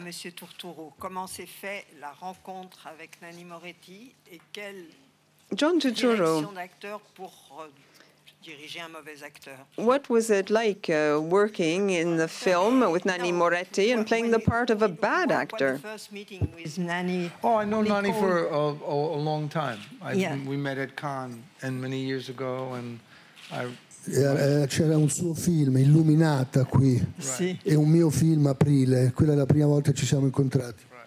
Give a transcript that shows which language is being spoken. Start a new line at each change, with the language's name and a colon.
French: Monsieur Turturro, comment s'est fait la rencontre avec Nanni Moretti et quelle direction d'acteur pour diriger un mauvais acteur?
English: What was it like working in the film with Nanni Moretti and playing the part of a bad actor? First meeting with Nanni. Oh, I know Nanni for a long time. We met at Cannes and many years ago, and I.
Italian: C'era un suo film Illuminata qui e un mio film Aprile, quella è la prima volta che ci siamo incontrati.